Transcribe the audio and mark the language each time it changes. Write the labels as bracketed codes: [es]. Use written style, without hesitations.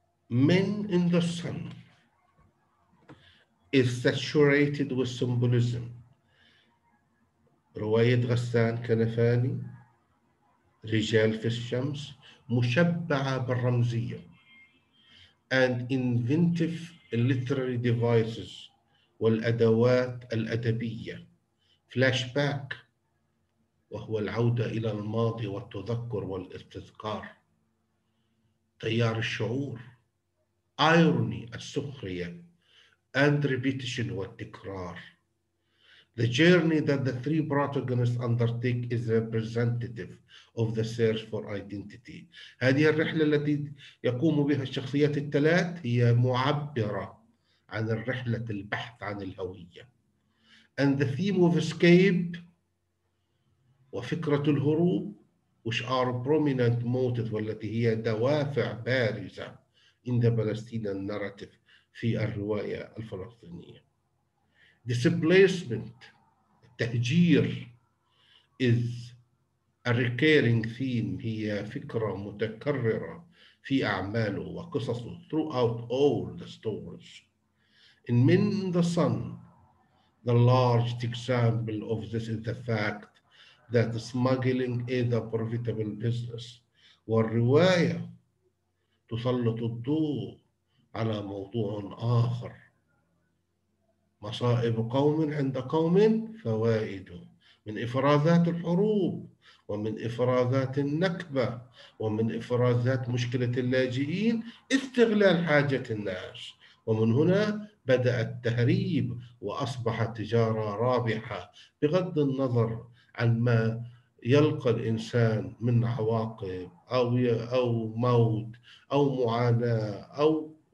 [en] Men in the Sun is saturated with symbolism. [ar] رواية غسان كنفاني رجال في الشمس مشبعة بالرمزية [en] and inventive literary devices [ar] والأدوات الأدبية. Flashback وهو العودة إلى الماضي والتذكر والاستذكار. تيار الشعور irony السخرية [en] and repetition [ar] والتكرار. [en] The journey that the three protagonists undertake is representative of the search for identity. [ar] هذه الرحلة التي يقوم بها الشخصيات الثلاث هي معبرة عن الرحلة البحث عن الهوية. [en] And the theme of escape [ar] وفكرة الهروب [en] which are prominent motives [ar] والتي هي دوافع بارزة [en] in the Palestinian narrative [ar] في الرواية الفلسطينية. [en] Displacement, التهجير is a recurring theme, [ar] هي فكرة متكررة في أعماله وقصصه [en] throughout all the stories. In Men in the Sun, the largest example of this is the fact that smuggling is a profitable business. [ar] والرواية تسلط الضوء على موضوع آخر. مصائب قوم عند قوم فوائد. من إفرازات الحروب ومن إفرازات النكبة ومن إفرازات مشكلة اللاجئين استغلال حاجة الناس، ومن هنا بدأ التهريب وأصبح تجارة رابحة بغض النظر عن ما يلقى الإنسان من عواقب أو موت أو معاناة أو